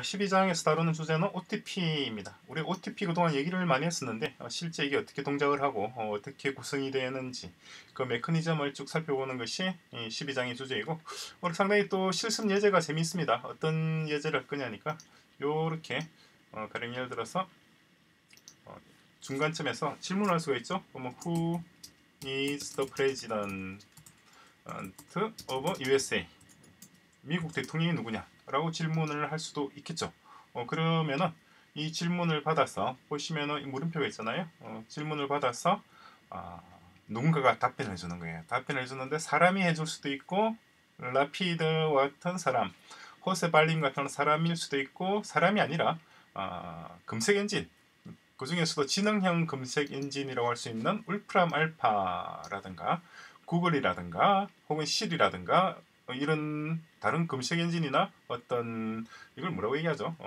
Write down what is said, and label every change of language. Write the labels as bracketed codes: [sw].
[ko] 12장에서 다루는 주제는 OTP입니다. 우리 OTP 그동안 얘기를 많이 했었는데 실제 이게 어떻게 동작을 하고 어떻게 구성이 되는지 그 메커니즘을 쭉 살펴보는 것이 12장의 주제이고 오늘 상당히 또 실습 예제가 재미있습니다. 어떤 예제를 할 거냐니까 요렇게 가령 예를 들어서 중간쯤에서 질문할 수가 있죠. 그러면 [en] Who is the president of USA? [ko] 미국 대통령이 누구냐? 라고 질문을 할 수도 있겠죠. 그러면은 이 질문을 받아서 보시면은 이 물음표가 있잖아요. 질문을 받아서 누군가가 답변을 해주는 거예요. 답변을 해주는데 사람이 해줄 수도 있고 라피드 같은 사람, 호세 발림 같은 사람일 수도 있고 사람이 아니라 검색 엔진, 그 중에서도 지능형 검색 엔진이라고 할 수 있는 울프람 알파라든가 구글이라든가 혹은 실이라든가 이런 다른 검색 엔진이나 어떤 이걸 뭐라고 얘기하죠?